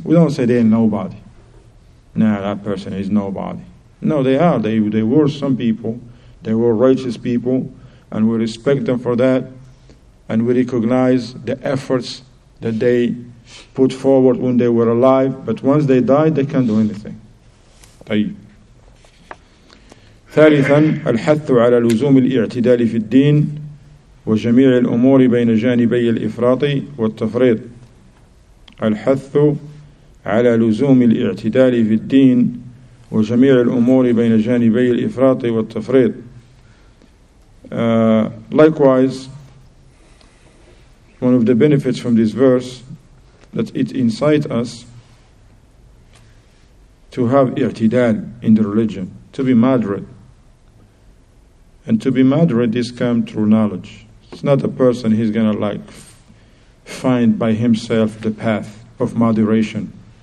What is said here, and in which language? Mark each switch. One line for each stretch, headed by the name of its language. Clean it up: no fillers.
English: We don't say they're nobody. Nah, that person is nobody. No, they are. They were some people. They were righteous people, and we respect them for that, and we recognize the efforts that they put forward when they were alive, but once they died, they can't do anything.
Arabic: طيب. ثالثا الحث على لزوم الاعتدال في الدين وجميع الأمور بين جانبي الإفراط والتفريط. الحث على لزوم الاعتدال في الدين وجميع الأمور بين جانبي الإفراط والتفريط.
English: Likewise, one of the benefits from this verse that it incites us to have i'tidal in the religion, to be moderate. And to be moderate, this comes through knowledge. It's not a person he's going to like find by himself the path of moderation.